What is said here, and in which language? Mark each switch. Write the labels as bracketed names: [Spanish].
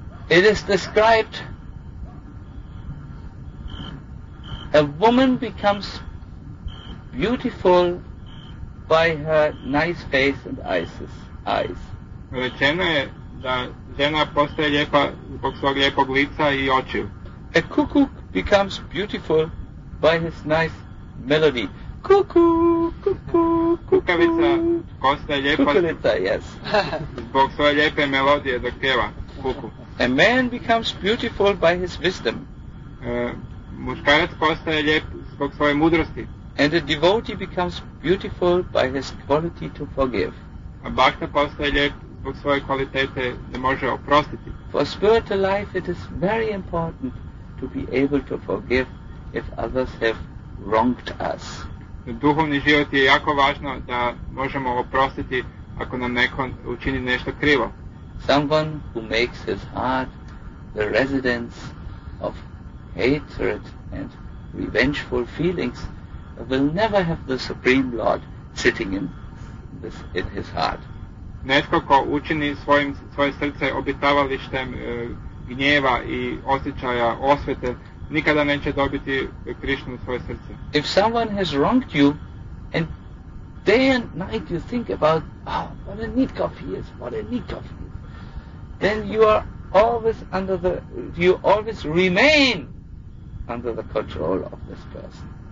[English] It is described, a woman becomes beautiful by her nice face and eyes. [Croatian] Rečeno je da žena postaje lijepa zbog svog lijepog lica i očiju. [English] A cuckoo becomes beautiful by his nice melody. Cuckoo, cuckoo, cuckoo. [Croatian] Kukavica postaje lijepa. Kukulica, yes. Zbog svoje lijepe melodije dok pjeva cuckoo. [English] A man becomes beautiful by his wisdom. [Croatian] Muškarac postaje lijep zbog svoje mudrosti. [English] And a devotee becomes beautiful by his quality to forgive. [Croatian] A bhakta postaje lijep zbog svoje kvalitete da može oprostiti. [English] For spiritual life it is very important to be able to forgive if others have wronged us. [Croatian] Duhovni život je jako važno da možemo oprostiti ako nam neko učini nešto krivo. [English] Someone who makes his heart the residence of hatred and revengeful feelings will never have the Supreme Lord sitting in his heart. [Croatian] Netko ko učini svoje srce obitavalištem gnjeva i osjećaja osvete nikada neće dobiti Krišnu u svoje srce. [English] If someone has wronged you and day and night you think about, oh, what a nikav he is, what a nikav he is, then you are always under the, you always remain under the control of this person.